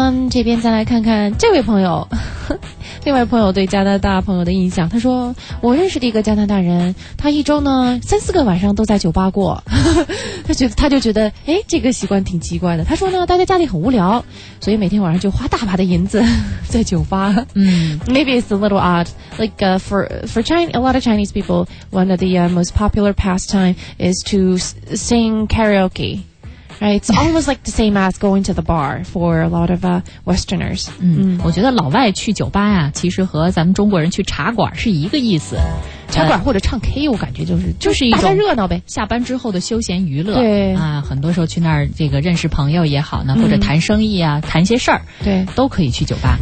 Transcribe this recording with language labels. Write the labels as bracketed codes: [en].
[zh] 这边再来看看这位朋友，另外朋友对加拿大朋友的印象，他说我认识的一个加拿大人，他一周呢三四个晚上都在酒吧过。他就觉得哎，这个习惯挺奇怪的。他说呢，待在家里很无聊，所以每天晚上就花大把的银子在酒吧。 [en] Maybe it's a little odd. Like for China, a lot of Chinese people, one of the most popular pastime is to sing karaoke. Right, it's almost like the same as going to the bar for a lot of Westerners. [zh] 我觉得老外去酒吧呀、其实和咱们中国人去茶馆是一个意思。茶馆或者唱 K， 我感觉就是一种大家热闹呗，下班之后的休闲娱乐。对啊，很多时候去那儿这个认识朋友也好呢，或者谈生意啊，谈些事儿，对，都可以去酒吧。